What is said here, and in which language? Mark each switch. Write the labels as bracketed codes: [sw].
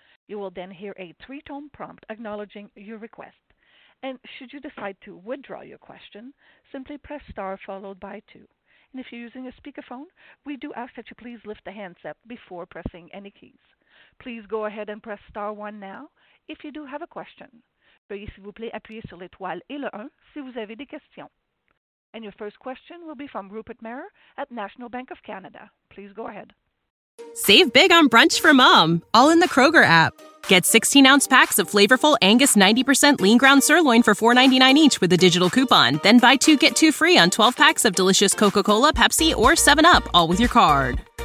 [en] You will then hear a three-tone prompt acknowledging your request. And should you decide to withdraw your question, simply press star followed by two. And if you're using a speakerphone, we do ask that you please lift the handset before pressing any keys. Please go ahead and press star one now if you do have a question. [fr] Veuillez s'il vous plaît appuyer sur l'étoile et le un si vous avez des questions. [en] And your first question will be from Rupert Merer at National Bank of Canada. Please go ahead. Save big on brunch for mom, all in the Kroger app. Get 16-ounce packs of flavorful Angus 90% lean ground sirloin for $4.99 each with a digital coupon. Then buy two, get two free on 12 packs of delicious Coca-Cola, Pepsi, or 7-Up, all with your card.